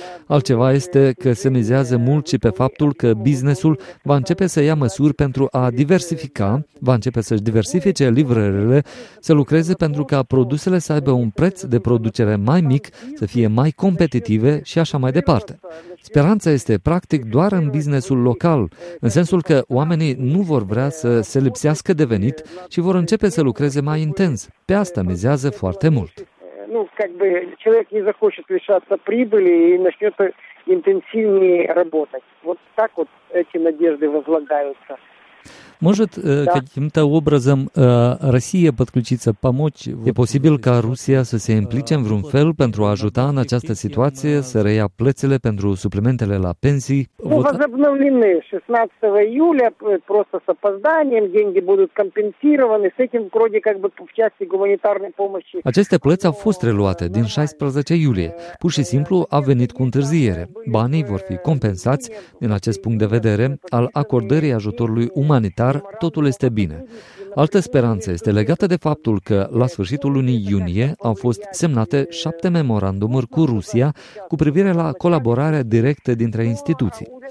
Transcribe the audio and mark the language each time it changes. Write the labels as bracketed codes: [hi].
[ro] Altceva este că se mizează mult și pe faptul că businessul va începe să ia măsuri pentru a diversifica, va începe să-și diversifice livrările, să lucreze pentru ca produsele să aibă un preț de producere mai mic, să fie mai competitive și așa mai departe. Speranța este practic doar în businessul local, în sensul că oamenii nu vor vrea să se lipsească de venit și vor începe să lucreze mai intens. Pe asta mizează foarte mult. [ru] Человек не захочет лишаться прибыли и начнет интенсивнее работать. Вот так вот эти надежды возлагаются. Может, каким-то образом Россия подключиться, помочь? [ro] E posibil ca Rusia să se implice în vreun fel pentru a ajuta în această situație, să reia plățile pentru suplimentele la pensii? [ru] Ну, возобновлены 16 июля, просто с опозданием, деньги будут компенсированы, с этим вроде как бы в части гуманитарной помощи. [ro] Aceste plăți au fost reluate din 16 iulie. Pur și simplu a venit cu întârziere. Banii vor fi compensați din acest punct de vedere al acordării ajutorului umanitar. Dar totul este bine. Altă speranță este legată de faptul că la sfârșitul lunii iunie au fost semnate 7 memorandumuri cu Rusia cu privire la colaborarea directă dintre instituții.